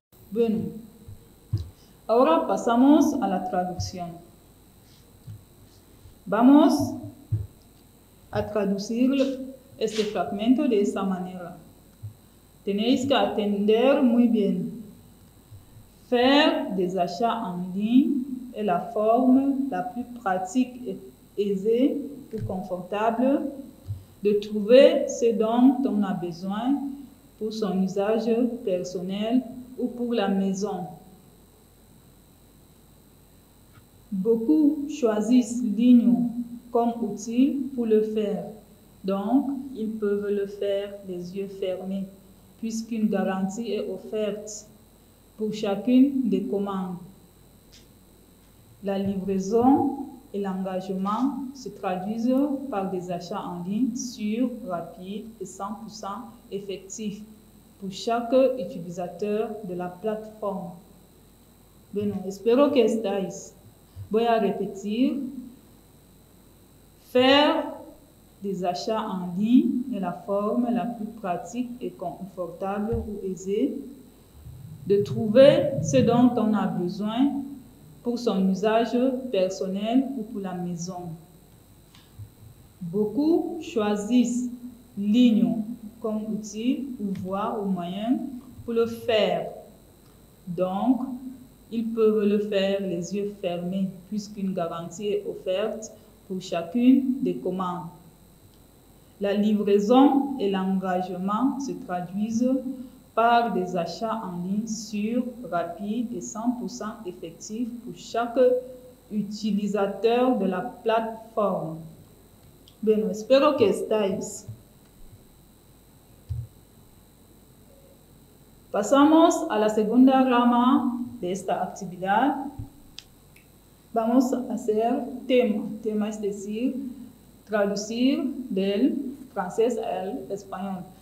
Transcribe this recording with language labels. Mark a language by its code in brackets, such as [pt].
[es] Bueno, ahora pasamos a la traducción. Vamos a traducir este fragmento de esta manera. Tenéis que atender muy bien. [fr] Faire des achats en ligne est la forme la plus pratique et aisée ou confortable de trouver ce dont on a besoin pour son usage personnel ou pour la maison. Beaucoup choisissent ligne comme outil pour le faire, donc ils peuvent le faire les yeux fermés, puisqu'une garantie est offerte pour chacune des commandes. La livraison et l'engagement se traduisent par des achats en ligne sûrs, rapides et 100% effectifs pour chaque utilisateur de la plateforme. [es] Bueno, espero que estáis. Voy a repetir. [fr] Faire des achats en ligne est la forme la plus pratique et confortable ou aisée de trouver ce dont on a besoin pour son usage personnel ou pour la maison. Beaucoup choisissent ligne comme outil ou voie ou moyen pour le faire. Donc, ils peuvent le faire les yeux fermés puisqu'une garantie est offerte pour chacune des commandes. La livraison et l'engagement se traduisent par des achats en ligne sûrs, rapides et 100% effectifs pour chaque utilisateur de la plateforme. [es] Bueno, espero que estáis. Pasamos a la segunda rama de esta actividad. Vamos a hacer tema. Tema es decir, traducir del francés al español.